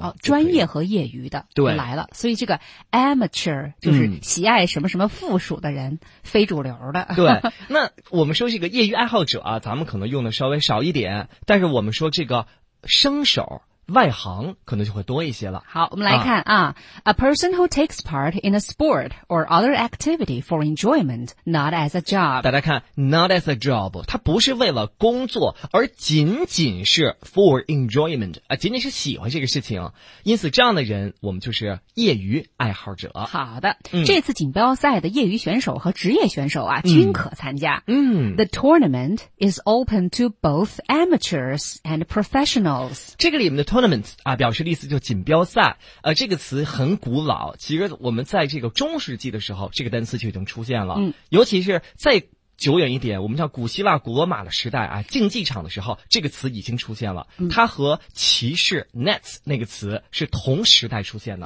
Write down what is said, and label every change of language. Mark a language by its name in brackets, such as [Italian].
[Chinese] 哦、专业和业余的对来了，所以这个 amateur 就是喜爱什么什么附属的人、嗯、非主流的。对，那我们说这个业余爱好者啊咱们可能用的稍微少一点，但是我们说这个生手外行可能就会多一些了。好，我们来看 [English] A person who takes part in a sport or other activity for enjoyment, not as a job. [Chinese] 大家看 [English] not as a job, [Chinese] 它不是为了工作，而仅仅是 [English] for enjoyment,、 [Chinese] 仅仅是喜欢这个事情。因此这样的人我们就是业余爱好者。好的、这次锦标赛的业余选手和职业选手啊均可参加。 [English] The tournament is open to both amateurs and professionals. [Chinese] 这个里面的tournament 啊表示的意思就锦标赛，这个词很古老，其实我们在这个中世纪的时候这个单词就已经出现了、尤其是再久远一点，我们叫古希腊古罗马的时代啊，竞技场的时候这个词已经出现了、嗯、它和骑士 nets 那个词是同时代出现的、